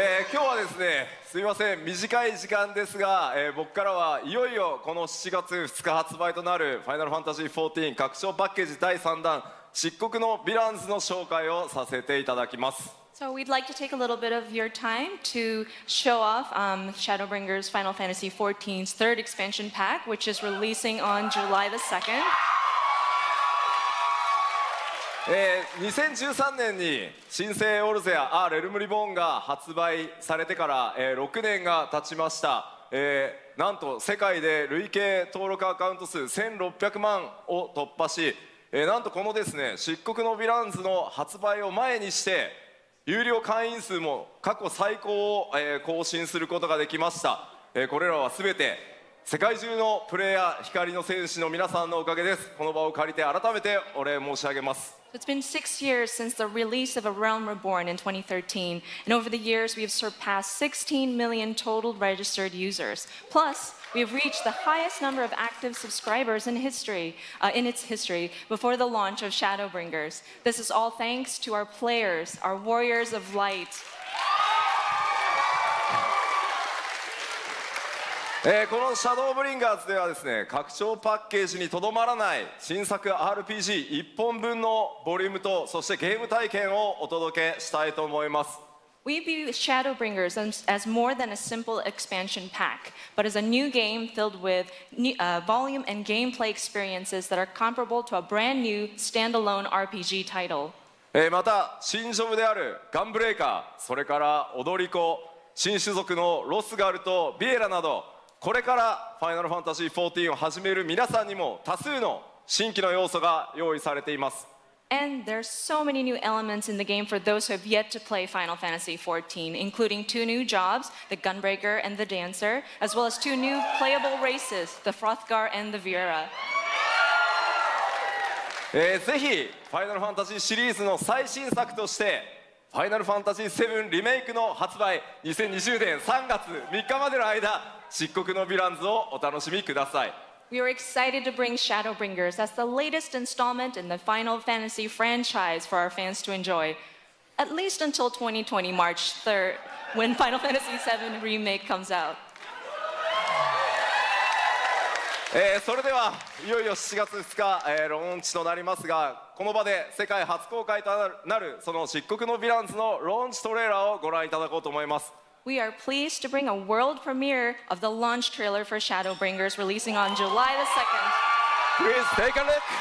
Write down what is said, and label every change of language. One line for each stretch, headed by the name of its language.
Japanese: 今日はですね、すみません、短い時間ですが、僕からはいよいよこの7月2日発売となるファイナルファンタジー14拡張パッケージ第3弾漆黒のヴィランズの紹介をさせていただきます。
English: So we'd like to take a little bit of your time to show off Shadowbringers Final Fantasy XIV's third expansion pack, which is releasing on July the 2nd.
Japanese: 2013年に新生オルゼア、アー・レルム・リボーンが発売されてから、6年が経ちました。なんと世界で累計登録アカウント数1600万を突破し、なんとこのですね、漆黒のヴィランズの発売を前にして有料会員数も過去最高を、更新することができました。これらはすべて世界中のプレイヤー、光の戦士の皆さんのおかげです。この場を借りて改めてお礼申し上げます。
English: It's been 6 years since the release of A Realm Reborn in 2013, and over the years we have surpassed 16 million total registered users. Plus, we have reached the highest number of active subscribers in history, in its history, before the launch of Shadowbringers. This is all thanks to our players, our warriors of light.
Japanese: このシャドーブリンガーズではですね、拡張パッケージにとどまらない新作 RPG 一本分のボリュームと、そしてゲーム体験をお届けしたいと思います。
English: We view Shadowbringers as more than a simple expansion pack, but as a new game filled with volume and gameplay experiences that are comparable to a brand new standalone RPG title.
Japanese: また新ジョブであるガンブレイカー、それから踊り子、新種族のロスガルとビエラなど、これからファイナルファンタジー14を始める皆さんにも多数の新規の要素が用意されています。
English: And there are so many new elements in the game for those who have yet to play Final Fantasy 14, including two new jobs, the Gunbreaker and the Dancer, as well as two new playable races, the Frothgar and the Viera.
Japanese: ぜひファイナルファンタジーシリーズの最新作としてファイナルファンタジー7リメイクの発売、2020年3月3日までの間、漆黒のヴィランズをお楽しみください。
English: We are excited to bring Shadowbringers as the latest installment in the Final Fantasy franchise for our fans to enjoy at least until 2020 March 3rd when Final Fantasy 7 Remake comes out.
Japanese: それではいよいよ7月2日、ローンチとなりますが、この場で世界初公開となる、その漆黒のヴィランズのローンチトレーラーをご覧いただこうと思います。
English: We are pleased to bring a world premiere of the launch trailer for Shadowbringers releasing on July the 2nd. Please take a look.